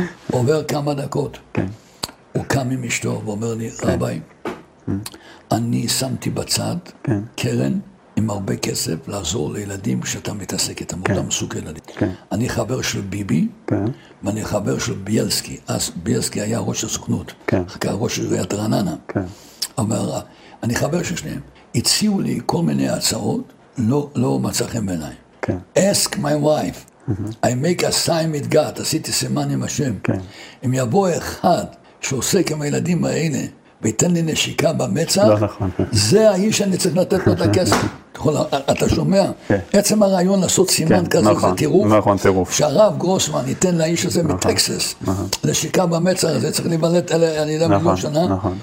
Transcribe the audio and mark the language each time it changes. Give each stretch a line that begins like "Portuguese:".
Hebrew: עובר כמה דקות. הוא קם עם אשתו ואומר לי, רבי, אני שמתי בצד קרן עם הרבה כסף לעזור לילדים כשאתה מתעסק איתם, אותם סוג ילדים. אני חבר של ביבי, ואני חבר של ביאלסקי. אז ביאלסקי היה ראש הסוכנות, אחר כך ראש עיריית רעננה. אמר, אני חבר של שניהם. הציעו לי כל מיני הצעות, לא מצא חן בעיניי.
English: Ask my wife, I make a sign with God,
Hebrew: עשיתי סימן עם השם. אם יבוא אחד שעוסק עם הילדים האלה, ויתן לי נשיקה במצח, זה האיש שאני צריך לתת לו את הכסף. אתה שומע? עצם הרעיון לעשות סימן כזה, זה טירוף. שהרב גרוסמן ייתן לאיש הזה מטקסס, נשיקה במצח הזה, צריך להיוולד על ידי מיליון שנה.